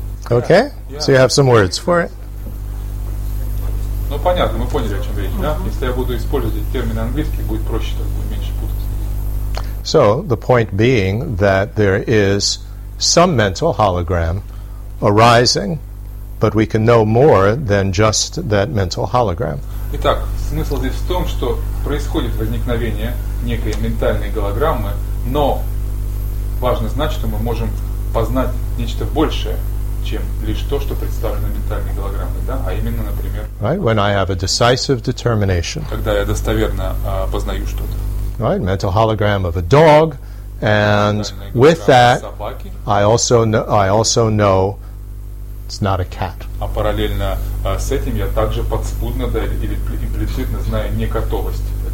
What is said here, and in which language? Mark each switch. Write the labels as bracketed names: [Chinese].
[English] Okay, so you have some words for it. [Russian] Ну понятно, мы поняли, о чем речь, да? Если я буду использовать термин английский, будет проще, так будет меньше путаться. [English] So the point being that there is some mental hologram arising, but we can know more than just that mental hologram. [Russian] Итак, смысл здесь в том, что происходит возникновение некой ментальной голограммы, но важно знать, что мы можем познать нечто большее, чем лишь то, что представлено ментальной голограммой, да? А именно, например, [English] right, when I have a decisive determination. [Russian] Когда я достоверно познаю что-то. [English] Right, mental hologram of a dog, and with that, I also know it's not a cat. [Russian] А параллельно с этим я также подспудно, да, или имплицитно знаю не котовость.